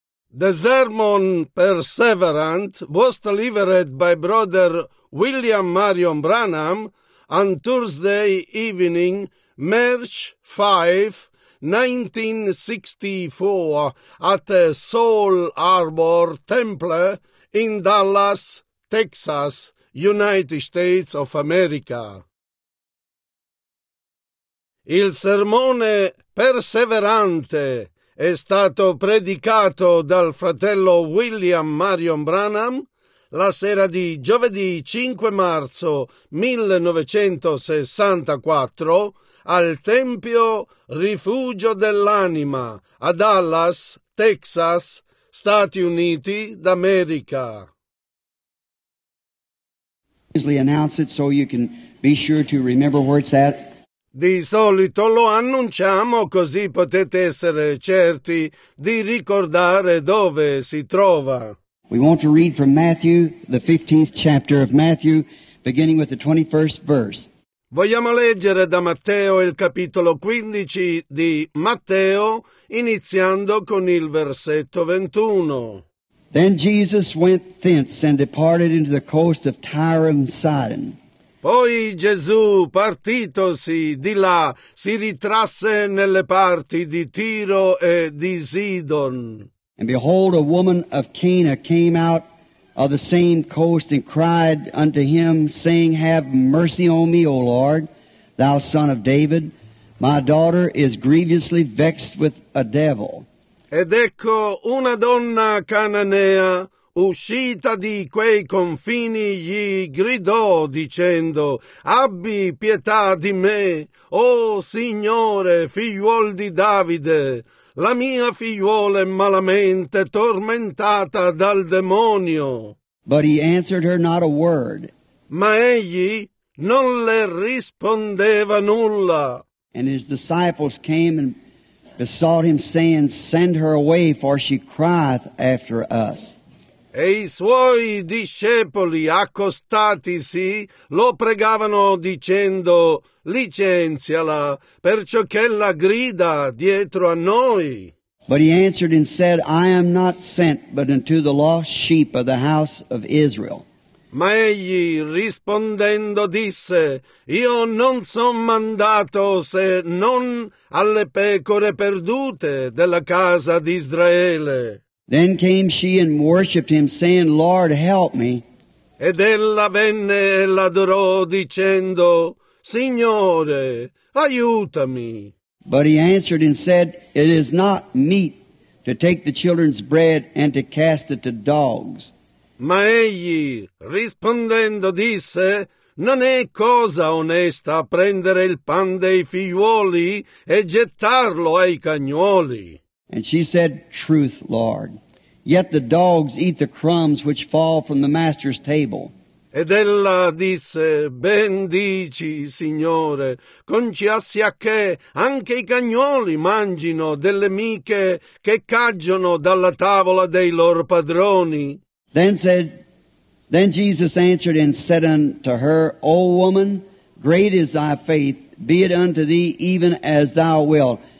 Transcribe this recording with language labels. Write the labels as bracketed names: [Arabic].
[English] The sermon Perseverant was delivered by Brother William Marion Branham on Thursday evening, March 5, 1964, at Soul Harbor Temple in Dallas, Texas, United States of America. [Italian] Il sermone Perseverante è stato predicato dal fratello William Marion Branham la sera di giovedì 5 marzo 1964 al Tempio Rifugio dell'Anima a Dallas, Texas, Stati Uniti d'America. [English] Usually announce it so you can be sure to remember where it's at. [Italian] Di solito lo annunciamo così potete essere certi di ricordare dove si trova. [English] We want to read from Matthew, the 15th chapter of Matthew, beginning with the 21st verse. [Italian] Vogliamo leggere da Matteo il capitolo 15 di Matteo, iniziando con il versetto 21. [English] Then Jesus went thence and departed into the coast of Tyre and Sidon. [Italian] Poi Gesù, partitosi di là, si ritrasse nelle parti di Tiro e di Sidon. [English] And behold, a woman of Cana came out of the same coast and cried unto him, saying, Have mercy on me, O Lord, thou son of David. My daughter is grievously vexed with a devil. [Italian] Ed ecco una donna cananea, uscita di quei confini, gli gridò dicendo, Abbi pietà di me, o Signore, figliuol di Davide, la mia figliuola è malamente tormentata dal demonio. [English] But he answered her not a word. [Italian] Ma egli non le rispondeva nulla. [English] And his disciples came and besought him, saying, Send her away, for she crieth after us. [Italian] E i suoi discepoli, accostatisi, lo pregavano dicendo, Licenziala, perciò che la grida dietro a noi. [English] But he answered and said, I am not sent but unto the lost sheep of the house of Israel. [Italian] Ma egli rispondendo disse, Io non son mandato se non alle pecore perdute della casa di Israele. [English] Then came she and worshipped him, saying, Lord, help me. [Italian] Ed ella venne e l'adorò, dicendo, Signore, aiutami. [English] But he answered and said, It is not meet to take the children's bread and to cast it to dogs. [Italian] Ma egli, rispondendo, disse, Non è cosa onesta prendere il pan dei figliuoli e gettarlo ai cagnoli. [English] And she said, Truth, Lord, yet the dogs eat the crumbs which fall from the master's table. [Italian] Ed ella disse, Ben dici, Signore, conciassia che anche i cagnoli mangino delle miche che caggiono dalla tavola dei loro padroni. [English] Then Jesus answered and said unto her, O woman, great is thy faith, be it unto thee even as thou wilt.